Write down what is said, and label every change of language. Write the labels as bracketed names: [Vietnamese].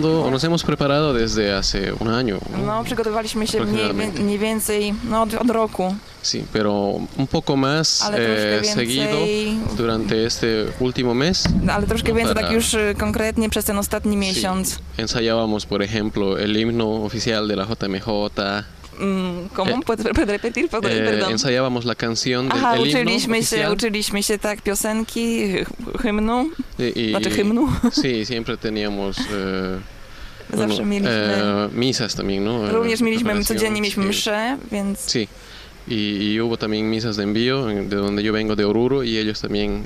[Spanish] Nos hemos preparado desde hace un año. [Polish] No, przygotowaliśmy się mniej więcej od roku. [Spanish] Sí, pero un poco más seguido durante este último mes. [Polish] Ale troszkę więcej, tak już konkretnie przez ten ostatni miesiąc. [Spanish] Ensayábamos, por ejemplo, el himno oficial de la JMJ. ¿Cómo? ¿Puedes repetir? Ensayábamos la canción del himno oficial. [Polish] Uczyliśmy się, tak, piosenki, hymnu. Hymnu. [Spanish] Sí, siempre teníamos... [Polish] Zawsze mieliśmy... [Spanish] Misas también, ¿no? [Polish] Również mieliśmy, codziennie mieliśmy msze, więc... [Spanish] Sí. Y hubo también misas de envío, de donde yo vengo, de Oruro, y ellos también